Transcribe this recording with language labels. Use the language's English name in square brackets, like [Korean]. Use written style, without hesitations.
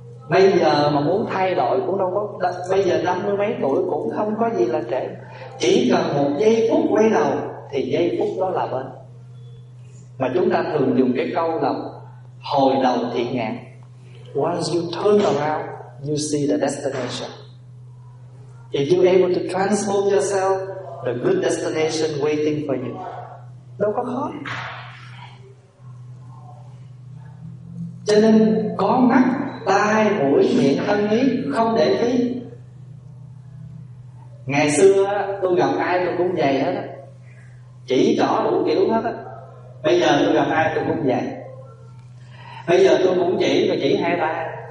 [Vietnamese] Bây giờ mà muốn thay đổi cũng đâu có, bây giờ 50 mấy tuổi cũng không có gì là trễ. Chỉ cần một giây phút quay đầu thì giây phút đó là bên. Mà chúng ta thường dùng cái câu là hồi đầu thiện ngạn. [English] Once you turn around, you see the destination. If you're able to transform yourself, the good destination waiting for you. [Vietnamese] Đâu có khó. Cho nên có mắt, tai, mũi, miệng, thân, ý, không để ý. Ngày xưa tôi gặp ai tôi cũng vậy hết á, chỉ rõ đủ kiểu hết á. Bây giờ tôi gặp ai tôi cũng vậy. Bây giờ tôi cũng chỉ, mà chỉ hai tay.